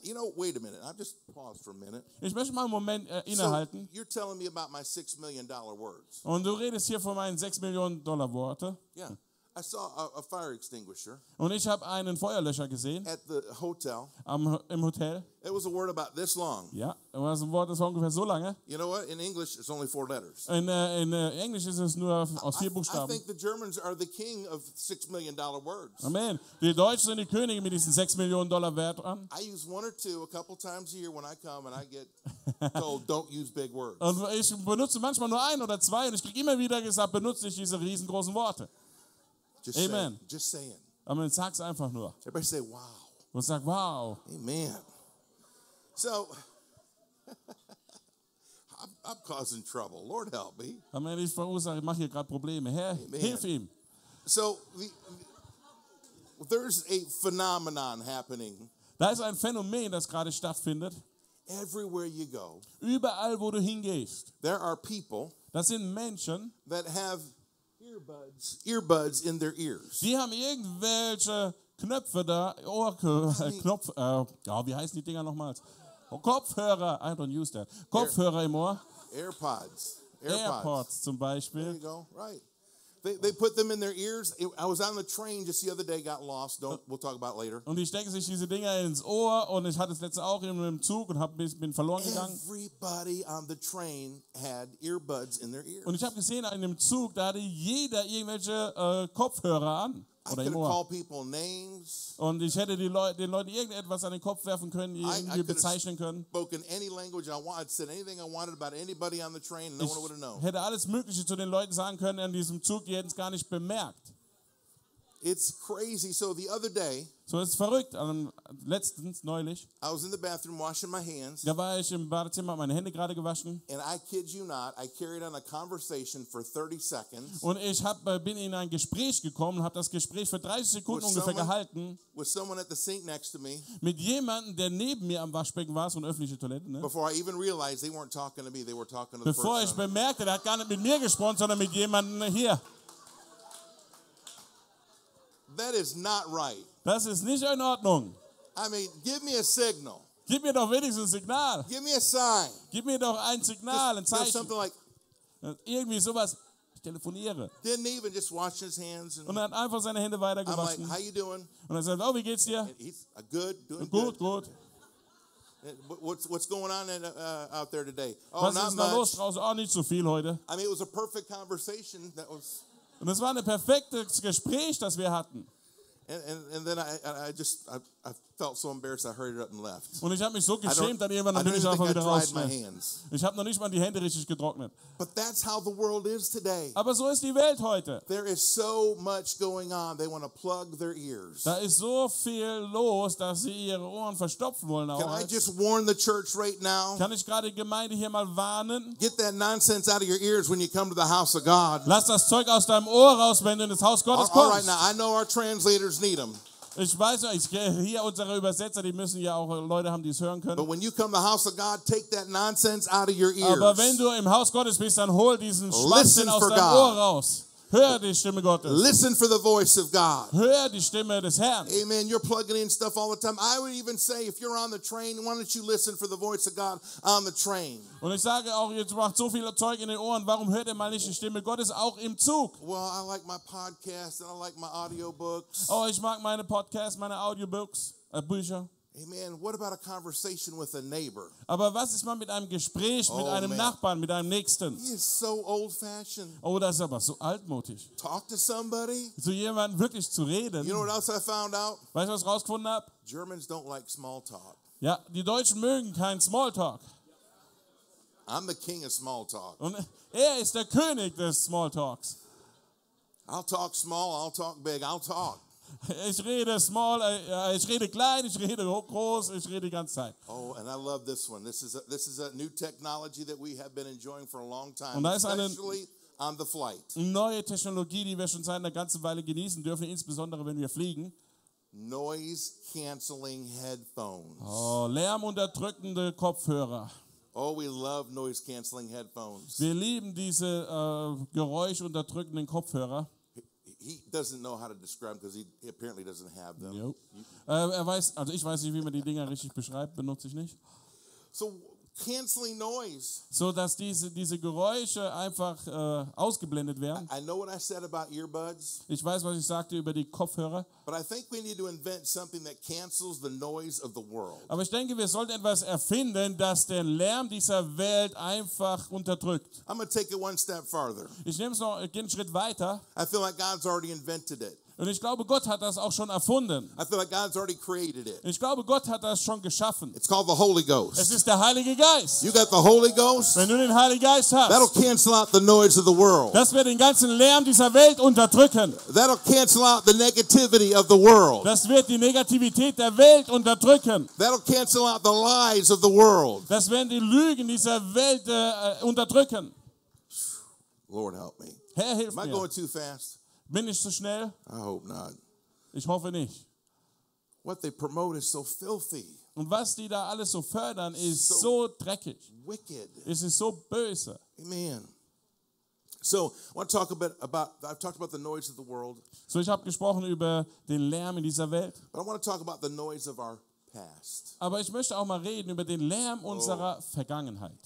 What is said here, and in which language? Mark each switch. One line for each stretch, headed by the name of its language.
English: You know, wait a minute. I'll just pause for a minute.
German: Ich möchte mal einen Moment innehalten.
English: So you're telling me about my $6 million words.
German: Und du redest hier von meinen 6 Millionen Dollar Worte.
English: Yeah. I saw a fire extinguisher.
German: Und ich habe einen Feuerlöscher gesehen.
English: At the hotel.
German: Im Hotel.
English: It was a word about this long.
German: Ja, es war ein Wort, das war ungefähr so lange.
English: You know what? In English, it's only 4 letters.
German: In Englisch ist es nur aus 4 Buchstaben.
English: I think the Germans are the king of $6 million words. Amen.
German: Die Deutschen sind die Könige mit diesen 6 Millionen Dollar Wörtern.
English: I use one or two a couple times a year when I come and I get told, don't use big words.
German: Und ich benutze manchmal nur ein oder zwei und ich kriege immer wieder gesagt, benutze nicht diese riesengroßen Worte.
English: Just Amen. Saying, just saying. I mean,
German: sag's einfach nur.
English: Everybody say, wow.
German: Und sag, wow.
English: Amen. So, I'm causing trouble. Lord, help me. I mean,
German: ich verursache, mache hier gerade Probleme. Herr, hilf ihm.
English: So, there's a phenomenon happening.
German: Da ist ein Phänomen, das gerade stattfindet.
English: Everywhere you go.
German: Überall, wo du hingehst.
English: There are people.
German: Das sind Menschen.
English: That have Earbuds in their ears.
German: Die haben irgendwelche Knöpfe da, Ohrknopf, wie heißen die Dinger nochmals? Kopfhörer,
English: I don't use that.
German: Kopfhörer im Ohr.
English: AirPods
German: zum Beispiel.
English: There you go, right. They put them in their ears. I was on the train just the other day, got lost. We'll talk about it later.
German: Und die stecken sich diese Dinger ins Ohr und ich hatte es letzte auch in einem Zug und bin verloren gegangen.
English: Everybody on the train had earbuds in their ears.
German: Und ich habe gesehen, in dem Zug, da hatte jeder irgendwelche Kopfhörer an. Oder
English: I could call people names.
German: Und ich hätte den Leuten irgendetwas an den Kopf werfen können, die irgendwie bezeichnen können.
English: Spoken any language I wanted, said anything I wanted about anybody on the train, no
German: ich
English: one would have known.
German: Hätte alles Mögliche zu den Leuten sagen können an diesem Zug, die hätten es gar nicht bemerkt.
English: It's crazy. So the other day,
German: so es ist verrückt. Letztens, neulich,
English: I was in the bathroom washing my hands.
German: Da war ich im Badezimmer, meine Hände gerade gewaschen.
English: And I kid you not, I carried on a conversation for 30 seconds.
German: Und ich bin in ein Gespräch gekommen und habe das Gespräch für 30 Sekunden ungefähr gehalten.
English: With someone at the sink next to me.
German: Mit jemandem, der neben mir am Waschbecken war, so eine öffentliche Toilette. Ne?
English: Before I even realized they weren't talking to me, they were talking to
German: Bevor
English: the
German: ich bemerkte, der hat gar nicht mit mir gesprochen, sondern mit jemandem hier.
English: That is not right.
German: Das ist nicht in Ordnung.
English: I mean, give me a signal.
German: Gib mir doch wenigstens ein Signal.
English: Give me a sign.
German: Gib mir doch ein Signal, ein Zeichen.
English: Something like,
German: irgendwie sowas. Ich telefoniere.
English: Didn't even just wash his hands. And
German: Und dann einfach seine Hände weitergewaschen.
English: I'm like, how you doing?
German: Und er sagt, oh, wie geht's dir?
English: He's good, doing good. Good. What's going on out there today?
German: Oh, was ist da los draußen? Oh, nicht so viel heute.
English: I mean, it was a perfect conversation that was.
German: Und es war ein perfektes Gespräch, das wir hatten. Und ich habe mich so geschämt, dann irgendwann bin ich einfach wieder raus. Ich habe noch nicht mal die Hände richtig getrocknet.
English: But that's how the world is today.
German: Aber so ist die Welt heute.
English: There is so much going on. They want to plug their ears.
German: Da ist so viel los, dass sie ihre Ohren verstopfen wollen.
English: Can I just warn the church right now?
German: Kann ich gerade die Gemeinde hier mal warnen?
English: Get that nonsense out of your ears when you come to the house of God.
German: Lass das Zeug aus deinem Ohr raus, wenn du in das Haus Gottes kommst.
English: All right, now I know our translators need them.
German: Ich weiß, hier unsere Übersetzer, die müssen ja auch Leute haben, die es hören können.
English: But when you come to the house of God, take that nonsense out of your ears.
German: Aber wenn du im Haus Gottes bist, dann hol diesen Schwachsinn aus deinem Ohr raus. Hör die Stimme Gottes.
English: Listen for the voice of God.
German: Hör die Stimme des Herrn.
English: Amen. You're plugging in stuff all the time. I would even say, if you're on the train, why don't you listen for the voice of God on the train?
German: Und ich sage auch, jetzt macht so viel Zeug in den Ohren. Warum hört ihr mal nicht die Stimme Gottes auch im Zug?
English: Well, I like my podcast and I like my audiobooks.
German: Oh, ich mag meine Podcasts, meine Audiobooks, Bücher.
English: Amen. What about a conversation with a neighbor?
German: Aber was ist mal mit einem Gespräch mit einem Nachbarn, mit einem Nächsten?
English: He is so old-fashioned.
German: Oh, das ist aber so altmodisch.
English: Talk to somebody.
German: Zu jemandem wirklich zu reden.
English: You know what else I found out?
German: Weißt du, was ich rausgefunden habe?
English: Germans don't like small talk.
German: Ja, die Deutschen mögen kein small talk.
English: I'm the king of small talk.
German: Und er ist der König des small talks.
English: I'll talk small, I'll talk big, I'll talk.
German: Ich rede small, ich rede klein, ich rede groß, ich rede die ganze Zeit.
English: Oh, and I love this one. This is a new technology that we have been enjoying for a long time.
German: Und da ist eine
English: especially on the flight.
German: Neue Technologie, die wir schon seit einer ganzen Weile genießen dürfen, insbesondere wenn wir fliegen.
English: Noise canceling headphones.
German: Oh, lärmunterdrückende Kopfhörer.
English: Oh, we love noise canceling headphones.
German: Wir lieben diese geräuschunterdrückenden Kopfhörer.
English: He doesn't know how to describe because he apparently doesn't have them. Nope.
German: Ich weiß nicht, wie man die Dinger richtig beschreibt, benutze ich nicht.
English: So canceling noise.
German: So dass diese Geräusche einfach ausgeblendet werden.
English: I know what I said about earbuds.
German: Ich weiß, was ich sagte über die Kopfhörer.
English: But I think we need to invent something that cancels the noise of the world.
German: Aber ich denke, wir sollten etwas erfinden, das den Lärm dieser Welt einfach unterdrückt.
English: I'm going to take it one step farther.
German: Ich nehme es noch einen Schritt weiter.
English: I feel like God's already invented it.
German: Und ich glaube, Gott hat das auch schon erfunden.
English: I feel like God's already created it.
German: Ich glaube, Gott hat das schon geschaffen.
English: It's called the Holy Ghost.
German: Es ist der Heilige Geist.
English: You got the Holy Ghost.
German: Wenn du den Heiligen Geist hast,
English: that'll cancel out the noise of the world.
German: Das wird den ganzen Lärm dieser Welt unterdrücken.
English: That'll cancel out the negativity of the world.
German: Das wird die Negativität der Welt unterdrücken.
English: That'll cancel out the lies of the world.
German: Das werden die Lügen dieser Welt unterdrücken.
English: Lord help me.
German: Herr, hilf mir.
English: Am I going too fast?
German: Bin ich zu schnell?
English: I hope not.
German: Ich hoffe nicht.
English: What they promote is so filthy.
German: Und was die da alles so fördern, ist so, so dreckig.
English: Wicked.
German: Es ist so böse.
English: Amen. So, I want to talk a bit about. I've talked about the noise of the world.
German: So, ich habe gesprochen über den Lärm in dieser Welt.
English: But I want to talk about the noise of our past.
German: Aber ich möchte auch mal reden über den Lärm unserer Vergangenheit.